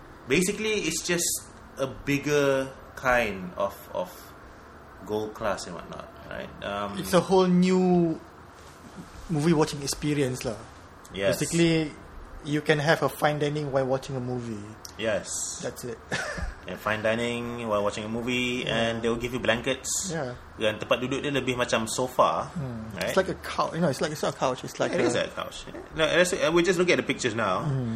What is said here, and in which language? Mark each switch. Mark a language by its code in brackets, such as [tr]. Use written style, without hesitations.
[en] Basically, it's just a bigger kind of gold class and whatnot, right? It's a whole new movie watching experience, lah. Yes. Basically, you can have a fine dining while watching a movie. Yes. That's it. And fine dining while watching a movie, and they will give you blankets. Yeah. [ms] Dan tempat duduk dia lebih macam sofa. [en] Right? It's like a couch. You know, it's like it's not a couch. It's like it is a couch. No, we just look at the pictures now.